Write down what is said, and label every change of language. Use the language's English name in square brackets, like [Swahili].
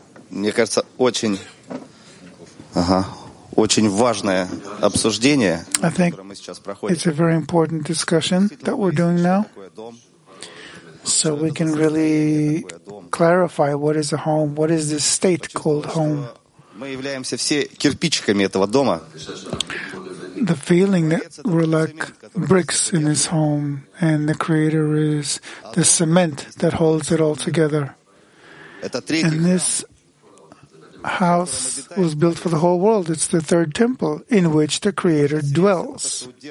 [Russian] Мне кажется, очень, очень важное обсуждение, которое мы сейчас проходим. [English] It's a very important discussion that we're doing now. So we can really clarify what is a home, what is this state called home. [Russian] Мы являемся все кирпичиками этого дома. [English] The feeling that we're like bricks in this home, and the Creator is the cement that holds it all together. And this house was built for the whole world. It's the third temple in which the Creator dwells.